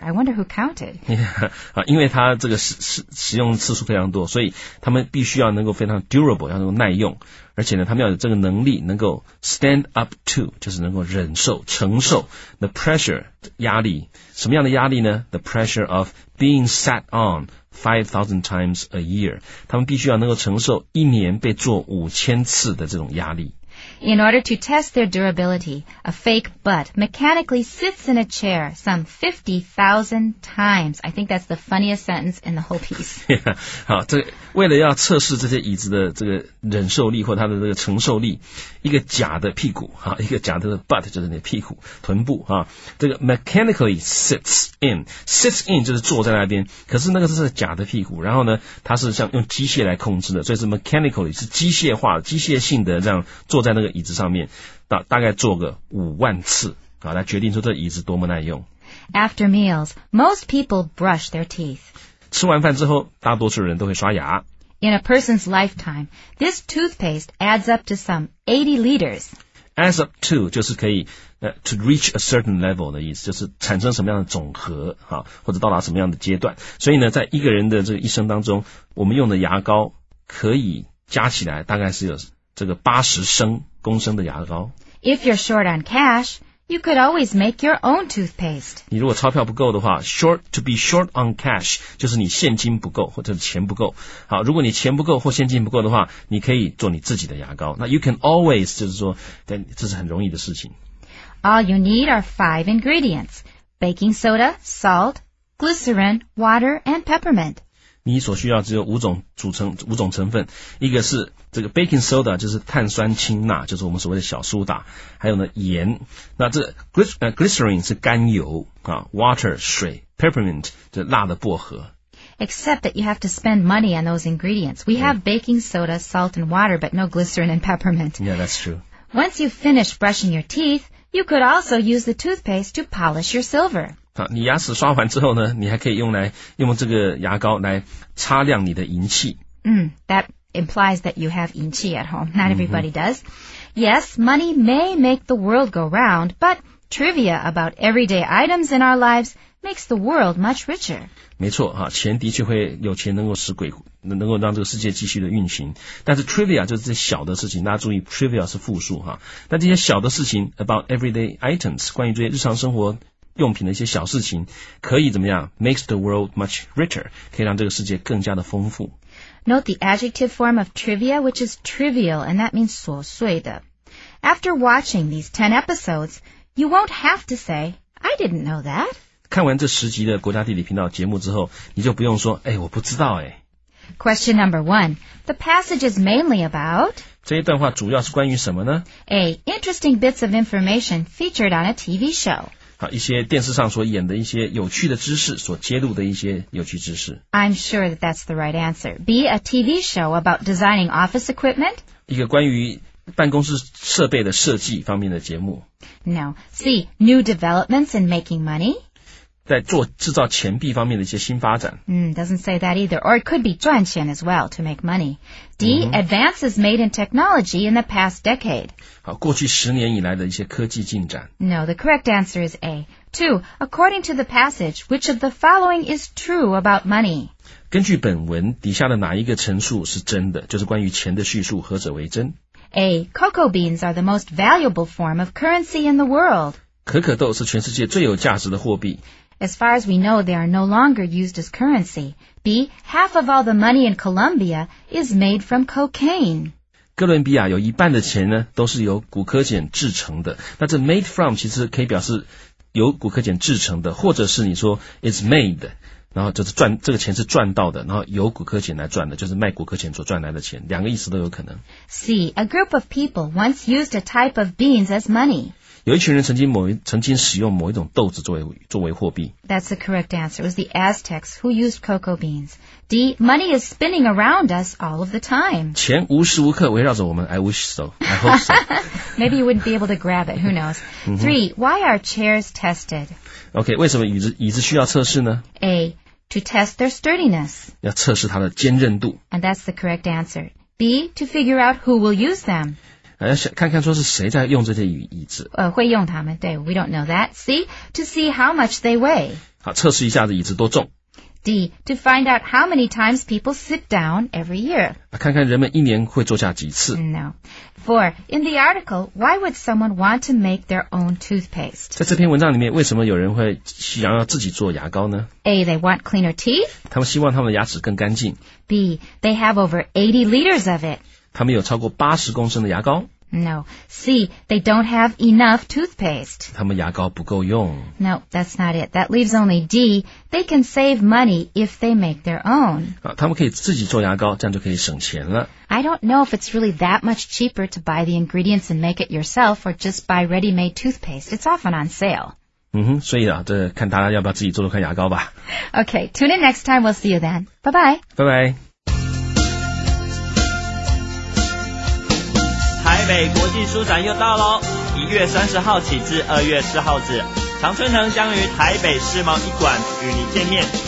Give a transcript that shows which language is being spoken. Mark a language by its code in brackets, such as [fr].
[en] I wonder who counted. [zh] Yeah, 因为它这个使用次数非常多，所以他们必须要能够非常 [en] durable， [zh] 要能够耐用，而且呢，他们要有这个能力能够 [en] stand up to， [zh] 就是能够忍受、承受 [en] the pressure [zh] 压力。什么样的压力呢 [en] ？The pressure of being sat on。 5,000 times a year. [zh] 他们必须要能够承受一年被坐5,000次的这种压力。 [en] In order to test their durability, a fake butt mechanically sits in a chair some 50,000 times. I think that's the funniest sentence in the whole piece. [zh] Yeah, 好，这为了要测试这些椅子的这个忍受力或它的这个承受力，一个假的屁股啊，一个假的 butt 就是你的屁股臀部啊。这个 [en] mechanically sits in [zh] 就是坐在那边，可是那个是假的屁股，然后呢，它是像用机械来控制的，所以是 mechanically 是机械化、机械性的这样坐在那个椅子上面，大概坐个50,000次啊，来决定说这椅子多么耐用。 [en] After meals, most people brush their teeth. [zh] 吃完饭之后，大多数人都会刷牙。 [en] in a person's lifetime, this toothpaste adds up to some 80 liters. Adds up to [zh] 就是可以 [en] to reach a certain level [zh] 的意思，就是产生什么样的总和啊，或者到达什么样的阶段。所以呢，在一个人的这个一生当中，我们用的牙膏可以加起来大概是有这个80升公升的牙膏。 [en] If you're short on cash, you could always make your own toothpaste. [zh] 你如果钞票不够的话 [en] to be short on cash, [zh] 就是你现金不够或者钱不够。好，如果你钱不够或现金不够的话，你可以做你自己的牙膏。那 [en] you can always, [zh] 就是说这是很容易的事情。 [en] All you need are 5 ingredients, baking soda, salt, glycerin, water, and peppermint. [zh] 你所需要只有五种成分，一个是这个 baking soda, 就是碳酸氢钠，就是我们所谓的小苏打，还有呢盐，那这 glycerin 是甘油啊 ,water, 水 ,peppermint, 就辣的薄荷。 [en] Except that you have to spend money on those ingredients. We have baking soda, salt, and water, but no glycerin and peppermint. Yeah, that's true. Once you finish brushing your teeth,You could also use the toothpaste to polish your silver. [zh] 好，你牙齿刷完之后呢，你还可以用这个牙膏来擦亮你的银器。 [en] That implies that you have 银器 at home. Not everybody does. Yes, money may make the world go round, but trivia about everyday items in our lives makes the world much richer. [zh] 没错，哈，钱的确会有钱能够使鬼能够让这个世界继续的运行，但是 trivia 就是这些小的事情，大家注意 trivia 是复数哈。但这些小的事情 [en] about everyday items [zh] 关于这些日常生活用品的一些小事情，可以怎么样 [en] makes the world much richer [zh] 可以让这个世界更加的丰富。 [en] Note the adjective form of trivia which is trivial and that means [zh] 琐碎的。 [en] After watching these 10 episodes you won't have to say I didn't know that. [zh] 看完这10集的国家地理频道节目之后，你就不用说哎，我不知道哎。 [en] Question number one. The passage is mainly about... [zh] 这一段话主要是关于什么呢? [en] A. Interesting bits of information featured on a TV show. [zh] 好，一些电视上所演的一些有趣的知识，所揭露的一些有趣知识。 [en] I'm sure that that's the right answer. B. A TV show about designing office equipment. [zh] 一个关于办公室设备的设计方面的节目。 [en] No. C. New developments in making money. [zh] 在做制造钱币方面的一些新发展。 [en] Doesn't say that either. Or it could be 赚钱 as well to make money. D, advances made in technology in the past decade. [zh] 好，过去十年以来的一些科技进展。 [en] No, the correct answer is A. 2, according to the passage, which of the following is true about money? [zh] 根据本文底下的哪一个陈述是真的，就是关于钱的叙述何者为真。 [en] A, cocoa beans are the most valuable form of currency in the world. [zh] 可可豆是全世界最有价值的货币。 [en] As far as we know, they are no longer used as currency. B, half of all the money in Colombia is made from cocaine. [zh] 哥伦比亚有一半的钱呢，都是由古柯碱制成的。那这 [en] made from [zh] 其实可以表示由古柯碱制成的，或者是你说 [en] is made, [zh] 然后就是赚，这个钱是赚到的，然后由古柯碱来赚的，就是卖古柯碱所赚来的钱，两个意思都有可能。 [en] C, a group of people once used a type of beans as money. [zh] 有一群人曾经使用某一种豆子作为货币。 [en] That's the correct answer. It was the Aztecs who used cocoa beans. D, money is spinning around us all of the time. [zh] 钱无时无刻围绕着我们。 [en] I wish so. I hope so. Maybe you wouldn't be able to grab it. Who knows? Three, why are chairs tested? [zh] Okay, 为什么椅子需要测试呢? [en] A, to test their sturdiness. [zh] 要测试它的坚韧度。 [en] And that's the correct answer. B, to figure out who will use them. [zh] 看看说是谁在用这些椅子。会用它们，对 [en] ,we don't know that. C, to see how much they weigh. [zh] 好，测试一下这椅子多重。 [en] D, to find out how many times people sit down every year. [zh] 看看人们一年会坐下几次。 [en] No. Four, in the article, why would someone want to make their own toothpaste? [zh] 在这篇文章里面，为什么有人会想要自己做牙膏呢? [en] A, they want cleaner teeth. [zh] 他们希望他们的牙齿更干净。 [en] B, they have over 80 liters of it. [zh] 他们有超过80公升的牙膏 [en] No. C, they don't have enough toothpaste. [zh] 他们牙膏不够用 [en] No, that's not it. That leaves only D, they can save money if they make their own. [zh] 他们可以自己做牙膏，这样就可以省钱了。 [en] I don't know if it's really that much cheaper to buy the ingredients and make it yourself or just buy ready-made toothpaste. It's often on sale. [zh] 所以啊，这看大家要不要自己做做看牙膏吧。 [en] Okay, tune in next time. We'll see you then. Bye-bye. Bye-bye. [zh] 台北国际书展又到咯，1月30号起至2月4号止，常春藤将于台北世贸一馆与你见面，